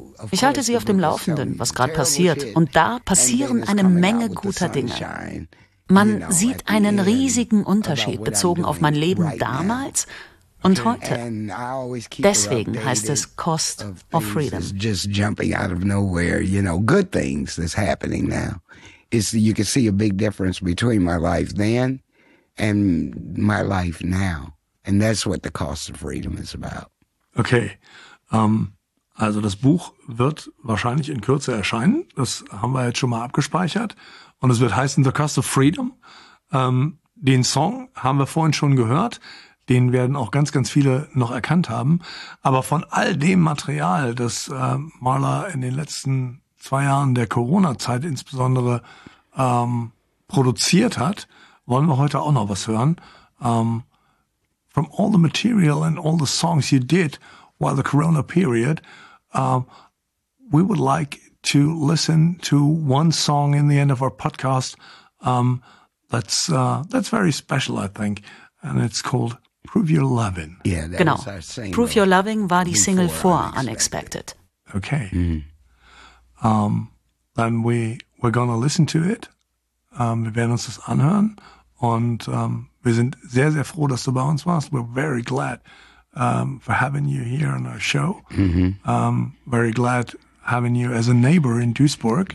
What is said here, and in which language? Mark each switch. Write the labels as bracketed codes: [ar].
[de] Ich halte Sie auf dem Laufenden, was gerade passiert. Und da passieren eine Menge guter Dinge. Man sieht einen riesigen Unterschied bezogen auf mein Leben damals und heute. Deswegen heißt es Cost of Freedom. [en] Just jumping out of nowhere, you know, good things that's happening now. You can see a big difference between my life then and my life now. And that's what the cost of freedom is about. [de] Okay, also das Buch wird wahrscheinlich in Kürze erscheinen. Das haben wir jetzt schon mal abgespeichert. Und es wird heißen The Cost of Freedom. Den Song haben wir vorhin schon gehört. Den werden auch ganz, ganz viele noch erkannt haben. Aber von all dem Material, das Marla in den letzten 2 Jahren der Corona-Zeit insbesondere produziert hat, wollen wir heute auch noch was hören. [en] From all the material and all the songs you did while the Corona period, we would like to listen to one song in the end of our podcast. That's very special, I think. And it's called Prove Your Loving. Yeah, that genau. Was our single. Prove Your Loving [de] war die Single vor [en] Unexpected. Okay. Then we're gonna listen to it. [de] Wir werden uns das anhören. Und wir sind sehr, sehr froh, dass du bei uns warst. [en] We're very glad for having you here on our show. Mm-hmm. Very glad having you as a neighbor in Duisburg.